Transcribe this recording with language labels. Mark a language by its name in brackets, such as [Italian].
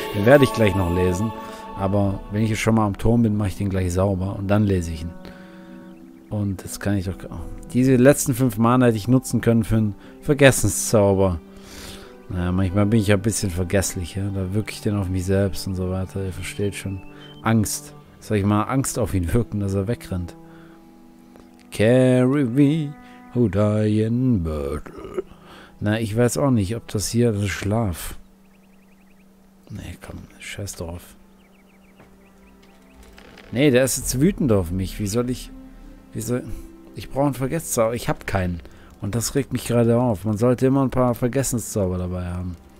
[German] Den werde ich gleich noch lesen. Aber wenn ich jetzt schon mal am Turm bin, mache ich den gleich sauber und dann lese ich ihn. Und jetzt kann ich doch... Diese letzten 5 Mana hätte ich nutzen können für einen Vergessenszauber. Naja, manchmal bin ich ja ein bisschen vergesslich, ja? Da wirke ich den auf mich selbst und so weiter. Ihr versteht schon. Angst. Soll ich mal Angst auf ihn wirken, dass er wegrennt? [English] Carry me, who die in battle. [German] Na, ich weiß auch nicht, ob das hier das Schlaf. Nee, komm, scheiß drauf. Nee, der ist jetzt wütend auf mich. Wieso? Ich brauche einen Vergesszauber. Ich habe keinen. Und das regt mich gerade auf. Man sollte immer ein paar Vergessenszauber dabei haben.